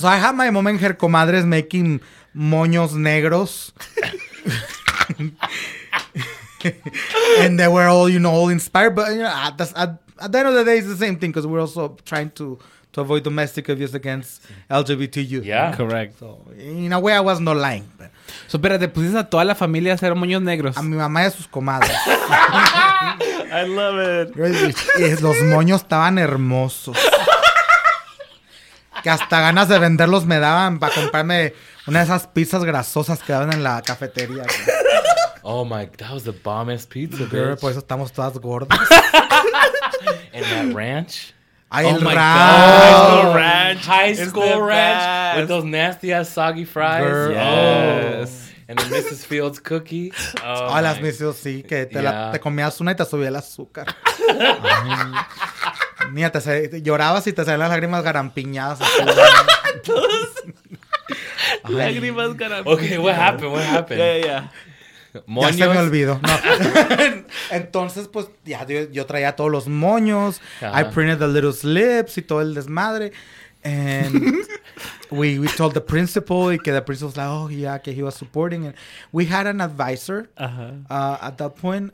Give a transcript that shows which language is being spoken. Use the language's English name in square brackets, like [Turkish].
[English] So I had my mom and her comadres making [Spanish] moños negros. [English] And they were all, you know, all inspired. But you know, at the end of the day, it's the same thing, because we're also trying to avoid domestic abuse against LGBT youth. Yeah, correct. So in a way, I was not lying. So, [Spanish] pero te pusiste a toda la familia a hacer moños negros. A mi mamá y a sus comadres. [English] I love it. [Spanish] Los moños estaban hermosos. Que hasta ganas de venderlos me daban para comprarme una de esas pizzas grasosas que daban en la cafetería. [English] Oh my, that was the bombest pizza, girl. [Spanish] Por eso estamos todas gordas. [English] And that ranch. Ay, oh my ranch. High school ranch. Best. With those nasty ass soggy fries. Girl. Yes. Oh. And the Mrs. Fields cookie. [Spanish] Oh, oh las Mrs. Fields, sí. Que te, [English] yeah, [Spanish] la, te comías una y te subía el azúcar. Mira, te llorabas y te salían las lágrimas garampiñadas. Lágrimas garampiñadas. [English] Okay, what happened? Yeah, yeah. [Spanish] Moños. Ya se me olvidó. No. Entonces, pues, ya yo traía todos los moños. [English] Uh-huh. I printed the little slips [Spanish] y todo el desmadre. [English] And we told the principal, [Spanish] y que [English] the principal was like, oh, yeah, [Spanish] que [English] he was supporting. And we had an advisor at that point.